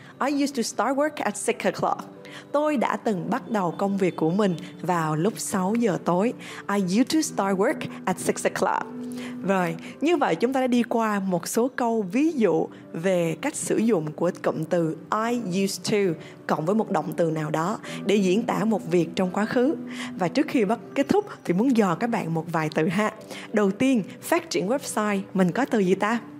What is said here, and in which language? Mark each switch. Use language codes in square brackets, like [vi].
[en] I used to start work at 6 o'clock. [vi] Tôi đã từng bắt đầu công việc của mình vào lúc 6 giờ tối. [en] I used to start work at 6 o'clock. [vi] Rồi, như vậy chúng ta đã đi qua một số câu ví dụ về cách sử dụng của cụm từ I used to cộng với một động từ nào đó để diễn tả một việc trong quá khứ. Và trước khi bắt kết thúc thì muốn dò các bạn một vài từ ha. Đầu tiên, phát triển website, mình có từ gì ta?